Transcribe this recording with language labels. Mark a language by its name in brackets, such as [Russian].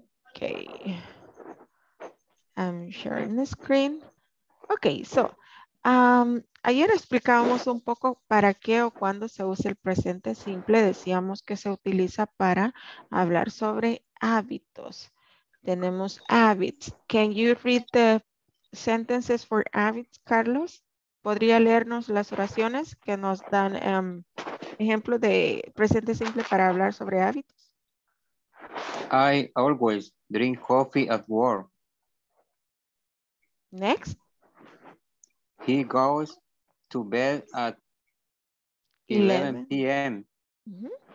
[English] Okay, I'm sharing the screen. [Spanish] Okay, so ayer explicábamos un poco para qué o cuándo se usa el presente simple. Decíamos que se utiliza para hablar sobre hábitos. Tenemos habits. [English] Can you read the sentences for habits, Carlos? [Spanish] ¿Podría leernos las oraciones que nos dan ejemplo de presente simple para hablar sobre hábitos? [English] I always drink coffee at work. Next. He goes to bed at 11 p.m. Mm-hmm.